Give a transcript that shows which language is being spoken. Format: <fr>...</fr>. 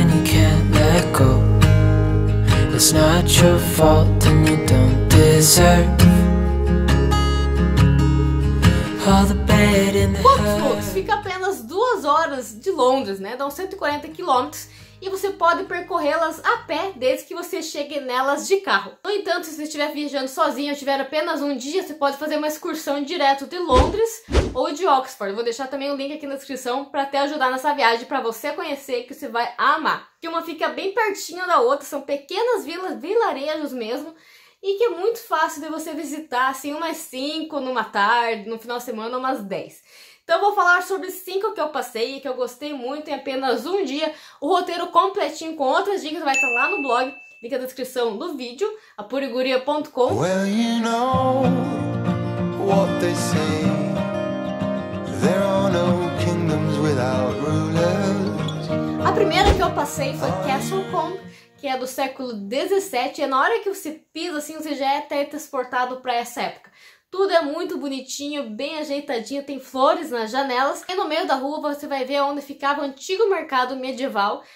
<en>It's not your fault and you don't deserve all the bad in the</en> <pt>Cotswolds fica apenas 2 horas de Londres, né? Dão 140 quilômetros e você pode percorrê-las a pé desde que você chegue nelas de carro. No entanto, se você estiver viajando sozinho ou tiver apenas um dia, você pode fazer uma excursão direto de Londres ou de Oxford. Eu vou deixar também o link aqui na descrição para te ajudar nessa viagem, para você conhecer, que você vai amar. Que uma fica bem pertinho da outra, são pequenas vilas, vilarejos mesmo, e que é muito fácil de você visitar, assim, umas 5 numa tarde, no final de semana, umas 10. Então eu vou falar sobre 5 que eu passei e que eu gostei muito em apenas um dia. O roteiro completinho com outras dicas vai estar lá no blog, link na descrição do vídeo, apuriguria.com.</pt> <en>Well, you know what they say. There are no kingdoms without rulers.</en> <pt>A primeira que eu passei foi Castlecombe, que é do século XVII. E na hora que você pisa assim, você já é teletransportado para essa época. Tudo é muito bonitinho, bem ajeitadinho, tem flores nas janelas. E no meio da rua você vai ver onde ficava o antigo mercado medieval.</pt>